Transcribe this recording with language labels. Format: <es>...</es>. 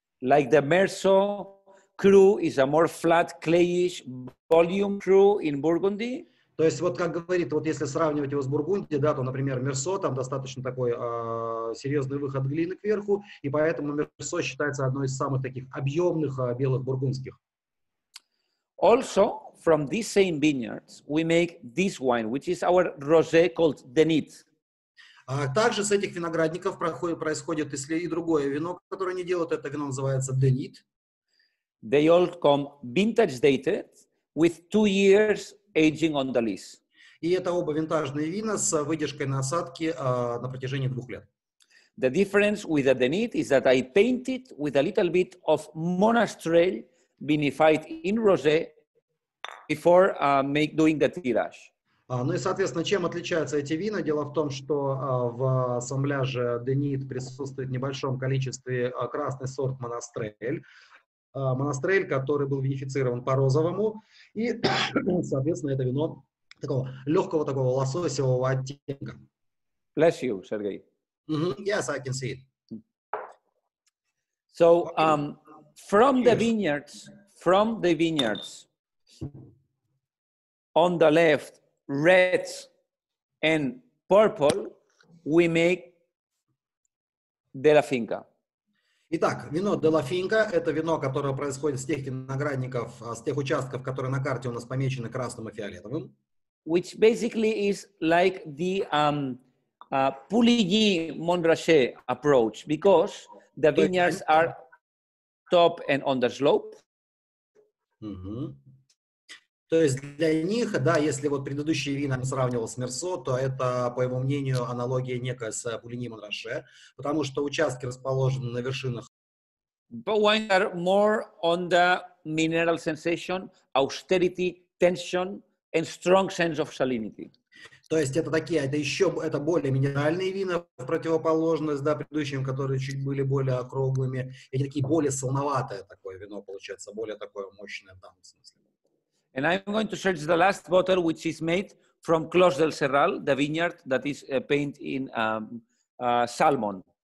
<en>Like the Merso cru is a more flat, clayish volume cru in Burgundy.</en> <ru>То есть, вот как говорит, вот если сравнивать его с Бургундией, да, то, например, Мерсо, там достаточно такой серьезный выход глины кверху, и поэтому Мерсо считается одной из самых таких объемных белых бургундских.</ru> <en>Also, from these same vineyards, we make this wine, which is our rosé called Denit.</en> <ru>Также с этих виноградников происходит и другое вино, которое они делают. Это вино называется Денит.</ru> <en>They all come vintage dated with 2 years aging on the lees.</en> <ru>И это оба винтажные вина с выдержкой на осадке на протяжении 2 лет.</ru> <en>The difference with the Denit is that I painted with a little bit of monastrell vinified in rosé before doing the tirage.</en> <ru>Ну и, соответственно, чем отличаются эти вина? Дело в том, что в ассамбляже Денит присутствует в небольшом количестве красный сорт монастрель. Монастрель, который был винифицирован по-розовому. И, соответственно, это вино такого легкого такого лососевого оттенка.</ru> <en>Bless you, Сергей. Mm-hmm. Yes, I can see it. So, from the vineyards, on the left, red and purple, we make de la finca.</en> <ru>Итак, вино de la finca – это вино, которое происходит с тех виноградников, с тех участков, которые на карте у нас помечены красным и фиолетовым.</ru> <en>Which basically is like the Pouligny-Montrachet approach, because the vineyards are top and on the slope. Mm-hmm.</en> <ru>То есть для них, да, если вот предыдущие вина он сравнивал с Мерсо, то это, по его мнению, аналогия некая с Пулини-Монраше, потому что участки расположены на вершинах.</ru> <en>But wine are more on the mineral sensation, austerity, tension, and strong sense of salinity.</en> <ru>То есть это такие, это еще, это более минеральные вина, в противоположность, да, предыдущим, которые чуть были более округлыми. Эти такие более солноватое такое вино получается, более такое мощное в данном смысле.</ru> <en>And I'm going to search the last bottle, which is made from Clos del Serral, the vineyard that is painted in salmon.</en>